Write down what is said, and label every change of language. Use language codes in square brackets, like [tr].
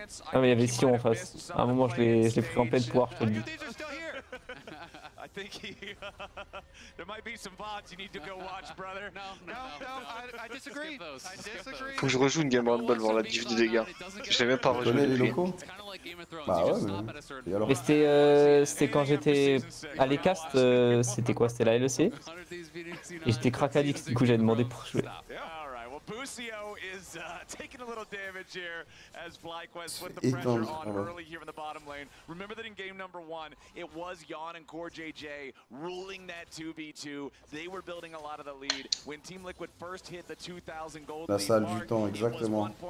[fr] Ah, mais il y avait Sion en face. À un moment, je l'ai pris en pleine poire, je te dis. [en] I think there might be some bots you need to go watch, brother. No, I disagree. I disagree. [fr] Faut que je rejoue une game round ball voir la diff du dégât. J'ai même pas rejoué les locaux. Bah ouais. Et alors. Mais c'était quand j'étais à l'ECAST, c'était quoi? C'était la LEC. Et j'étais crack addict, du coup j'avais demandé pour jouer. [en] Busio is taking a little damage here as FlyQuest with the pressure on early here in the bottom lane. Remember that in game number one, it was Yawn and Core JJ ruling that 2v2. They were building a lot of the lead when Team Liquid first hit the 2000 gold lead. [fr] La salle du temps, exactement.